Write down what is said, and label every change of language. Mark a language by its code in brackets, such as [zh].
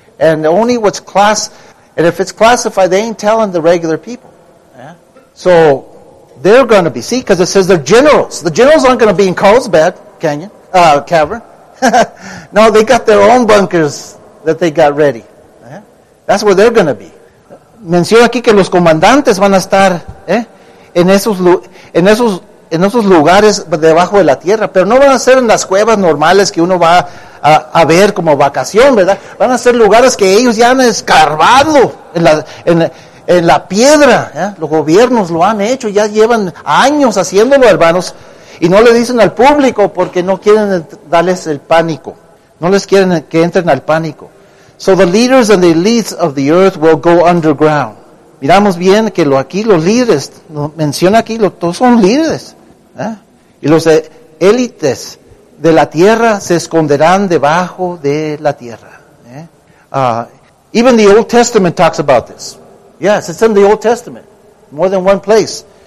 [en] And only what's and if it's classified, they ain't telling the regular people. Yeah? So they're going to be, see, because it says they're generals. The generals aren't going to be in Carlsbad Canyon, cavern. No, they got their own bunkers that they got ready. Yeah? That's where they're going to be. [es] Menciona aquí que los comandantes van a estar, ¿eh?, en esos lugares debajo de la tierra, pero no van a ser en las cuevas normales que uno va a ver como vacación, ¿verdad? Van a ser lugares que ellos ya han escarbado en la piedra, ¿eh? Los gobiernos lo han hecho, ya llevan años haciéndolo, hermanos, y no le dicen al público porque no quieren darles el pánico, no les quieren que entren al pánico. [en] So the leaders and the elites of the earth will go underground. [es] Miramos bien que aquí los líderes, lo menciona aquí, todos son líderes. ¿Eh? Y los élites de la tierra se esconderán debajo de la tierra. [en] ¿Eh? Even the Old Testament talks about this. Yes, it's in the Old Testament. More than one place.